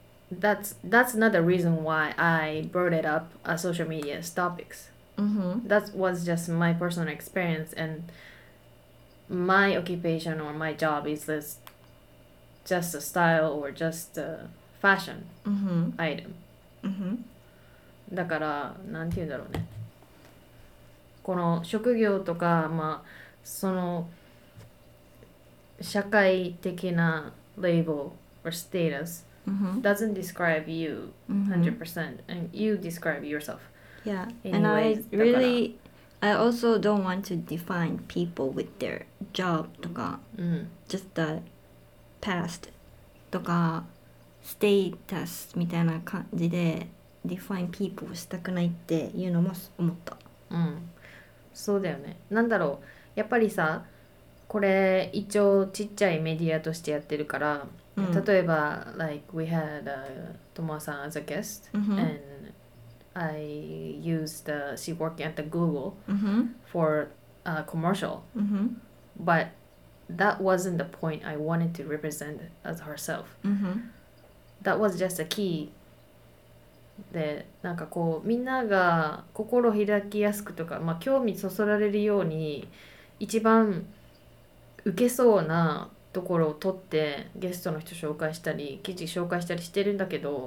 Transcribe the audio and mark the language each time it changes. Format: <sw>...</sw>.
<en>That's not the reason why I brought it up as social media topics.、 Mm-hmm. That was just my personal experience, and my occupation or my job is just a style or just a fashion、 mm-hmm. item.、 Mm-hmm.</en> <ja>だからなんて言うんだろうねこの職業とかまあその社会的な</ja> <en>label or status、 mm-hmm. doesn't describe you 100%、mm-hmm. and you describe yourself. Yeah, anyways, and I also don't want to define people with their job</en> <ja>とか、 mm.</ja> <en>just the past</en> <ja>とか</ja> <en>status</en> <ja>みたいな感じで</ja> <en>define people</en> <ja>したくないっていうのも思った。うん、そうだよね。なんだろう、やっぱりさ、これ一応ちっちゃいメディアとしてやってるから、うん、例えば</ja> <en>like we had Tomoa さん as a guest、</en> <ja>うん、</ja> <en>and I used the she working at the Google、</en> <ja>うん、</ja> <en>for a commercial、</en> <ja>うん、</ja> <en>but that wasn't the point I wanted to represent as herself、</en> <ja>うん。</ja> <en>That was just a key.</en> <ja>で、なんかこう、みんなが心開きやすくとか、まあ、興味そそられるように、一番受けそうなところを取って、ゲストの人紹介したり、記事紹介したりしてるんだけど、</ja>